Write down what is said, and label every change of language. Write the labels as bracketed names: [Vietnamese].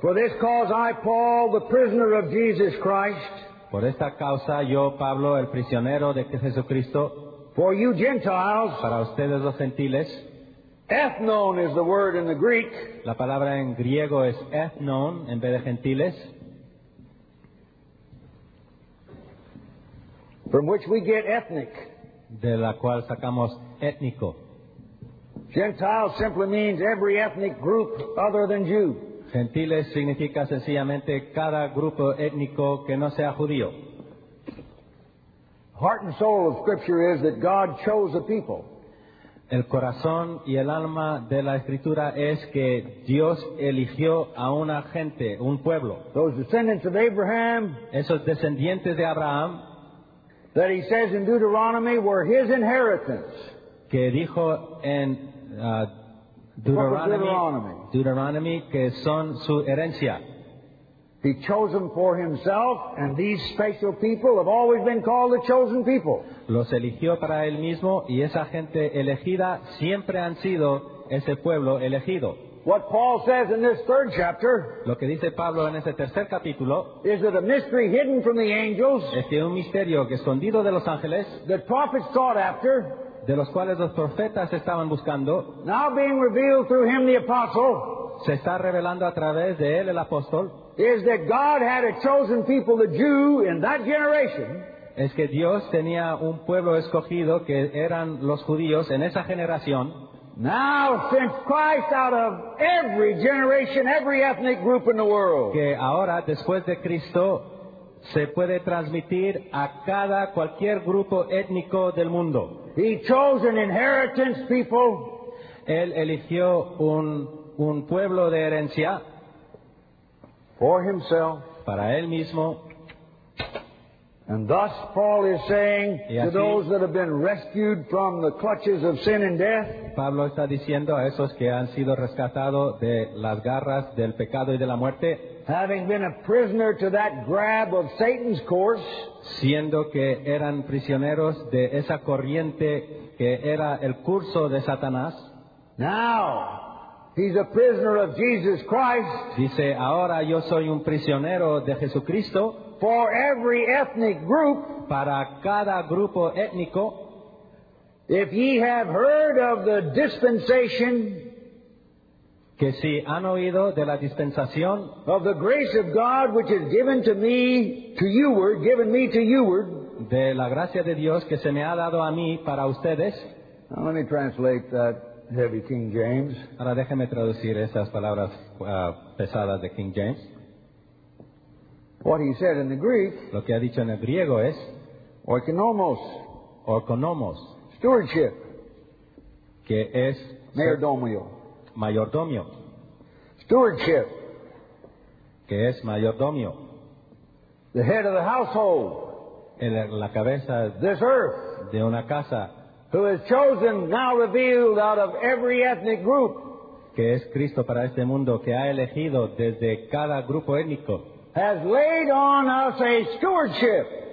[English] For this cause, I, Paul, the prisoner of Jesus Christ. [Spanish] Por esta causa, yo, Pablo, el prisionero de Jesucristo. [English] For you Gentiles. [Spanish] Para ustedes los gentiles. [English] Ethnon is the word in the Greek. [Spanish] La palabra en griego es ethnon en vez de gentiles. [English] From which we get ethnic. [Spanish] De la cual sacamos étnico. [English] Gentile simply means every ethnic group other than Jew. [Spanish] Gentiles significa sencillamente cada grupo étnico que no sea judío. [English] Heart and soul of Scripture is that God chose a people. [Spanish] El corazón y el alma de la Escritura es que Dios eligió a una gente, un pueblo. [English] Those descendants of Abraham, [Spanish] esos descendientes de Abraham, [English] that He says in Deuteronomy were His inheritance. [Spanish] Que dijo en Deuteronomy que son su herencia. [English] He chose them for Himself, and these special people have always been called the chosen people. [Spanish] Los eligió para Él mismo, y esa gente elegida siempre han sido ese pueblo elegido. [English] What Paul says in this third chapter, [Spanish] lo que dice Pablo en ese tercer capítulo, [English] is that a mystery hidden from the angels, [Spanish] es que un misterio escondido de los ángeles, [English] that prophets sought after, [Spanish] de los cuales los profetas estaban buscando, [English] now being revealed through Him the apostle, [Spanish] se está revelando a través de Él el apóstol, [English] is that God had a chosen people, the Jew, in that generation. [Spanish] Es que Dios tenía un pueblo escogido que eran los judíos en esa generación. [English] Now, since Christ out of every generation, every ethnic group in the world. [Spanish] Que ahora, después de Cristo, se puede transmitir a cualquier grupo étnico del mundo. [English] He chose an inheritance people. [Spanish] Él eligió un pueblo de herencia. [English] For Himself. [Spanish] Para Él mismo. [English] And thus Paul is saying [Spanish] así, [English] to those that have been rescued from the clutches of sin and death. [Spanish] Pablo está diciendo a esos que han sido rescatados de las garras del pecado y de la muerte. [English] Having been a prisoner to that grab of Satan's course. [Spanish] Siendo que eran prisioneros de esa corriente que era el curso de Satanás. [English] Now. He's a prisoner of Jesus Christ. [Spanish] Dice, ahora yo soy un prisionero de Jesucristo. [English] For every ethnic group. [Spanish] Para cada grupo étnico. [English] If ye have heard of the dispensation. [Spanish] Que si han oído de la dispensación. [English] Of the grace of God which is given to me, to you ward, given me to you ward. [Spanish] De la gracia de Dios que se me ha dado a mí para ustedes. [English] Now let me translate that. Heavy King James. [Spanish] Ahora déjeme traducir esas palabras pesadas de King James. [English] What he said in the Greek. [Spanish] Lo que ha dicho en el griego es. [English] Oikonomos. [Spanish] Oikonomos. [English] Stewardship. [Spanish] Que es Mayordomio. Mayordomio. [English] Stewardship. [Spanish] Que es mayordomio. [English] The head of the household. [Spanish] La cabeza [English] this earth. [Spanish] De una casa. [English] Who is chosen, now revealed out of every ethnic group. [Spanish] Que es Cristo para este mundo, que ha elegido desde cada grupo étnico. [English] Has laid on us a stewardship.